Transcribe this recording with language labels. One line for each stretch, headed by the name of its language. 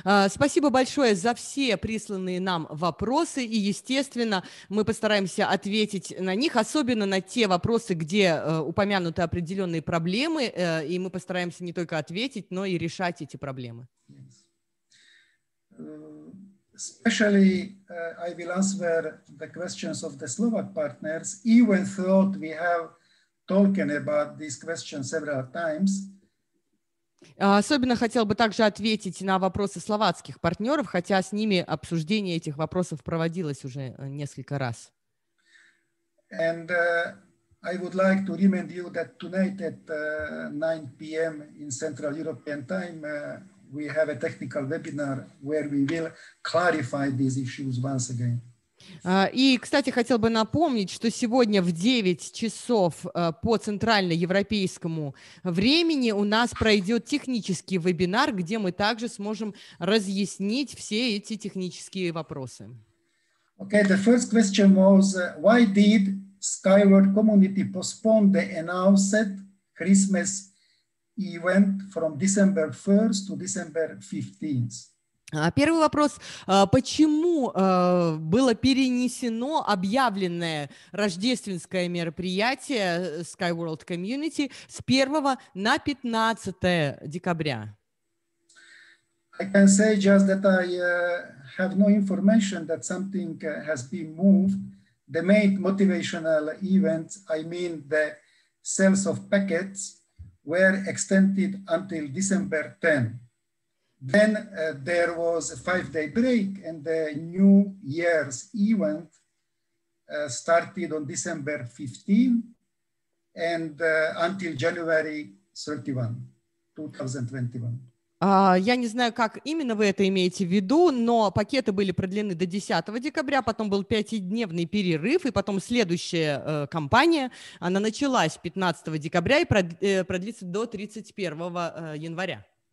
Russian: Спасибо большое за все присланные нам вопросы, и, естественно, мы постараемся ответить на них, особенно на те вопросы, где упомянуты определенные проблемы, и мы постараемся не только ответить, но и решать эти проблемы.
English: Yes. Especially, I will answer the questions of the Slovak partners, even though we have talked about these questions several times.
Russian: Особенно хотел бы также ответить на вопросы словацких партнеров, хотя с ними обсуждение этих вопросов проводилось уже несколько раз.
English: And I would like to remind you that tonight at 9 p.m. in Central European time, we have a technical webinar where we will clarify these issues once again.
Russian: И, кстати, хотел бы напомнить, что сегодня в 9 часов по центральноевропейскому времени у нас пройдет технический вебинар, где мы также сможем разъяснить все эти технические вопросы.
English: Okay, the first question was, why did Skyward Community postpone the announced Christmas event from December 1st to December 15th?
Russian: Первый вопрос. Почему было перенесено объявленное рождественское мероприятие Skyworld Community с 1 на 15 декабря?
English: I can say just that I have no information that something has been moved. The main motivational event, I mean the sales of packets, were extended until December 10th. Then there was a 5-day break and the New Year's event started on December 15 and until January 31, 2021.
Russian: Я не знаю, как именно вы это имеете в виду, но пакеты были продлены до 10 декабря, потом был 5-дневный перерыв, и потом следующая кампания, она началась 15 декабря и продлится до 31 января.